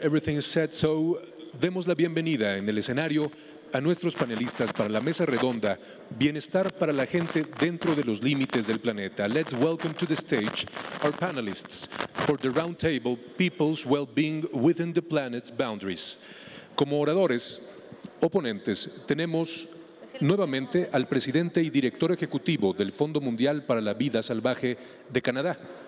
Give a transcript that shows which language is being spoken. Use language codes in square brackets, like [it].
[en] Everything is set, so [es] demos la bienvenida en el escenario a nuestros panelistas para la mesa redonda Bienestar para la gente dentro de los límites del planeta. [en] Let's welcome to the stage our panelists for the roundtable People's Well-being Within the Planet's Boundaries. [es] Como oradores oponentes, tenemos nuevamente al presidente y director ejecutivo del Fondo Mundial para la Vida Salvaje de Canadá.